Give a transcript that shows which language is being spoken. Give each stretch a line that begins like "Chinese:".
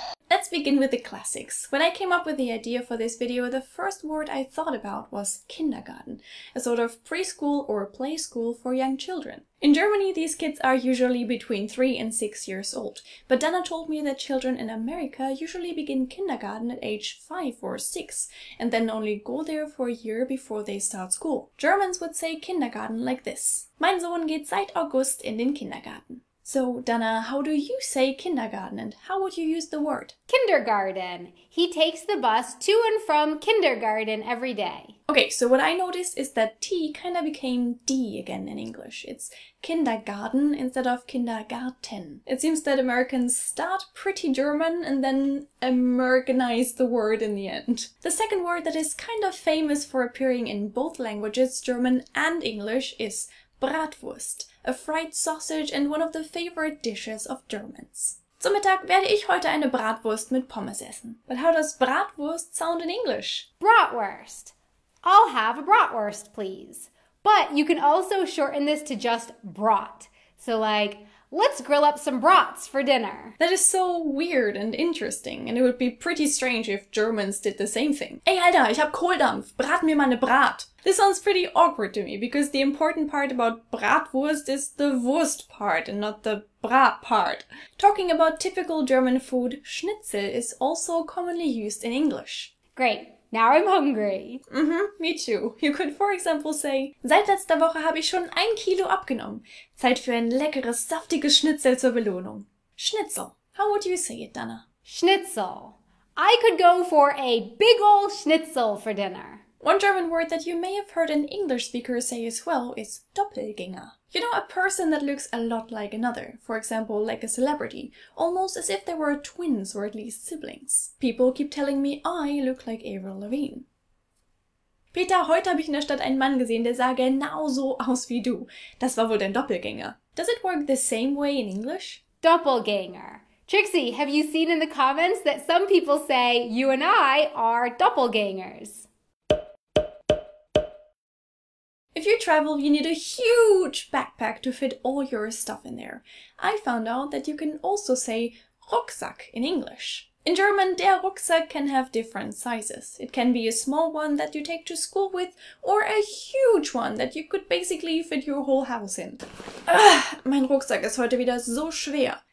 English: Let's begin with the classics. When I came up with the idea for this video, the first word I thought about was Kindergarten, a sort of preschool or play school for young children. In Germany, these kids are usually between 3 and 6 years old, but Dana told me that children in America usually begin kindergarten at age 5 or 6, and then only go there for a year before they start school. Germans would say kindergarten like this.
German: Mein Sohn geht seit August in den Kindergarten.
English: So, Dana, how do you say kindergarten and how would you use the word? Kindergarten. He takes the bus to and from kindergarten every day. Okay, so what I noticed is that T kind of became D again in English. It's kindergarten instead of kindergarten. It seems that Americans start pretty German and then Americanize the word in the end. The second word that is kind of famous for appearing in both languages, German and English, is Bratwurst, a fried sausage and one of the favorite dishes of Germans.
German: Zum Mittag werde ich heute eine Bratwurst mit Pommes essen.
English: But how does Bratwurst sound in English? Bratwurst. I'll have a Bratwurst, please. But you can also shorten this to just Brat. So like, let's grill up some brats for dinner. That is so weird and interesting, and it would be pretty strange if Germans did the same thing.
German: Ey, Alter, ich hab Kohldampf. Brat mir meine Brat.
English: This sounds pretty awkward to me, because the important part about Bratwurst is the Wurst part and not the Brat part. Talking about typical German food, Schnitzel is also commonly used in English. Great. Now I'm hungry. Mm-hmm, me too. You could, for example, say,
German: Seit letzter Woche habe ich schon 1 Kilo abgenommen. Zeit für ein leckeres, saftiges Schnitzel zur Belohnung.
English: Schnitzel. How would you say it, Dana? Schnitzel. I could go for a big ol' schnitzel for dinner. One German word that you may have heard an English speaker say as well is Doppelgänger. You know, a person that looks a lot like another, for example, like a celebrity, almost as if they were twins or at least siblings. People keep telling me I look like Avril Lavigne.
German: Peter, heute habe ich in der Stadt einen Mann gesehen, der sah genauso aus wie du. Das war wohl dein Doppelgänger.
English: Does it work the same way in English? Doppelgänger. Trixie, have you seen in the comments that some people say you and I are doppelgängers? If you travel, you need a huge backpack to fit all your stuff in there. I found out that you can also say Rucksack in English. In German, der Rucksack can have different sizes. It can be a small one that you take to school with, or a huge one that you could basically fit your whole house in.
German: Ugh, mein Rucksack ist heute wieder so schwer.